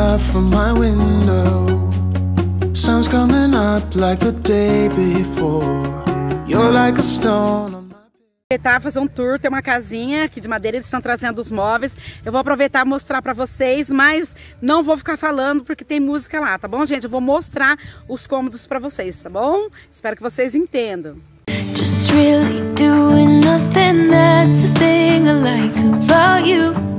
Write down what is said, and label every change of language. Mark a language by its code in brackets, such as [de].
[en] From my window, sun's coming up like the day before. You're like a stone on my... [pt] Aproveitar, fazer um tour, tem uma casinha aqui de madeira, eles estão trazendo os móveis. Eu vou aproveitar e mostrar pra vocês, mas não vou ficar falando porque tem música lá, tá bom, gente? Eu vou mostrar os cômodos pra vocês, tá bom? Espero que vocês entendam. [en] Just really doing nothing, that's the thing I like about you.